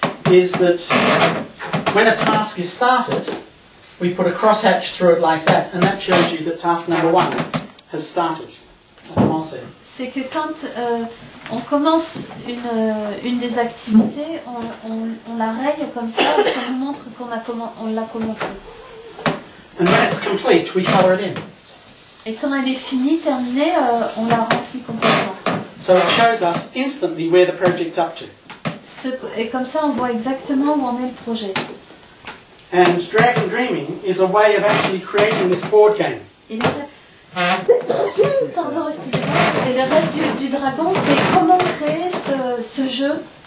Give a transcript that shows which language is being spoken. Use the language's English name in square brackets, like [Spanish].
[English] is that when a task is started, we put a crosshatch through it like that, and that shows you that task number one has started. [French] C'est que quand on commence une des activités, on la raye comme ça, et ça nous montre qu'on a commencé. [English] And when it's complete, we color it in. [French] Et quand elle est finie, terminée, on la remplit complètement. [English] So it shows us instantly where the project's up to. [French] Et comme ça, on voit exactement où en est le projet. [English] And Dragon Dreaming is a way of actually creating this board game. [French] Et le reste du dragon, c'est comment créer ce jeu